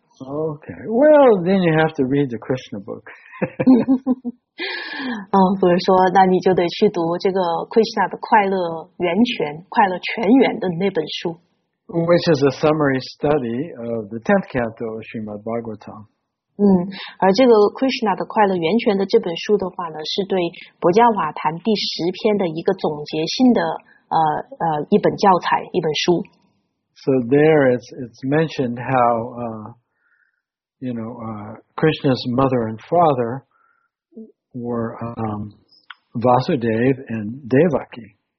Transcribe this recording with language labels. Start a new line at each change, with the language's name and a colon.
English: Okay, well, then you have to read the Krishna book.
Chinese: 不是说，那你就得去读这个 Krishna 的快乐全源的那本书。
English: Which is a summary study of the 10th canto of Srimad Bhagavatam.
Chinese: 而这个 Krishna 的快乐源泉的这本书的话呢，是对《薄伽瓦坛》第十篇的一个总结性的一本教材，一本书。
English: So there it's mentioned how... Krishna's mother and father were Vasudev and Devaki.